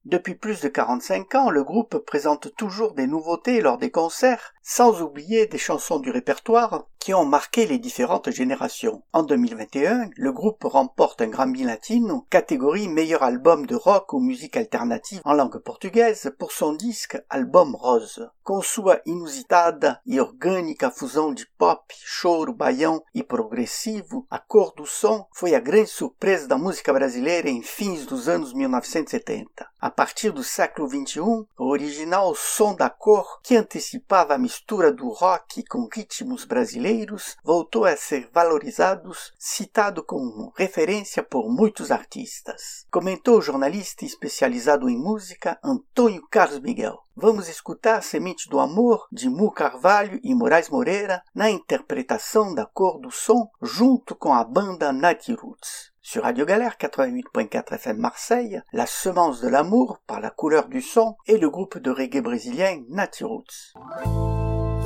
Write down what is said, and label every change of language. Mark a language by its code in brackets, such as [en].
[fr] Depuis plus de 45 ans, le groupe présente toujours des nouveautés lors des concerts, sans oublier des chansons du répertoire qui ont marqué les différentes générations. En 2021, le groupe remporte un Grammy Latino, catégorie meilleur album de rock ou musique alternative en langue portugaise, pour son disque Album Rose. [pt] Com sua inusitada e orgânica fusão de pop, choro, baião e progressivo, A Cor do Som foi a grande surpresa da música brasileira em fins dos anos 1970. A partir do século XXI, o original Som da Cor, que antecipava a mistura do rock com ritmos brasileiros, voltou a ser valorizado, citado como referência por muitos artistas. Comentou o jornalista especializado em música, Antônio Carlos Miguel. Vamos escutar A Semente do Amor, de Mu Carvalho e Moraes Moreira, na interpretação da Cor do Som, junto com a banda Nati Roots. [fr] Sur Radio Galère 88.4 FM Marseille, La Semence de l'Amour, par La Couleur du Son, et le groupe de reggae brésilien Nati Roots.